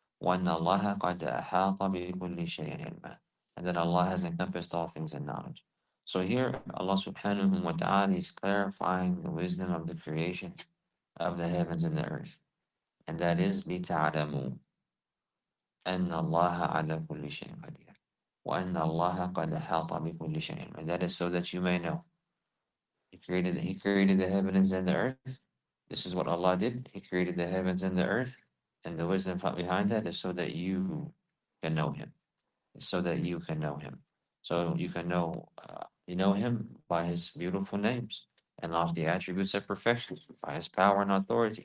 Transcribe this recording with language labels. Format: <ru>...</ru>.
<ar>Wa anna Allah qad ahata bi kulli shay'in ilma,</ar> <en>and that Allah has encompassed all things in knowledge. So here Allah subhanahu wa ta'ala is clarifying the wisdom of the creation of the heavens and the earth. And that is</en> <ar>لِتَعْلَمُوا أَنَّ اللَّهَ عَلَى كُلِّ شَيْءٍ قَدِيرٌ وَأَنَّ اللَّهَ قَدْ أَحَاطَ بِكُلِّ شَيْءٍ.</ar> <en>And that is so that you may know. He created the heavens and the earth. This is what Allah did. He created the heavens and the earth. And the wisdom behind that is so that you can know Him. So that you can know Him. So you can know him by his beautiful names and all the attributes of perfection, by his power and authority.</en>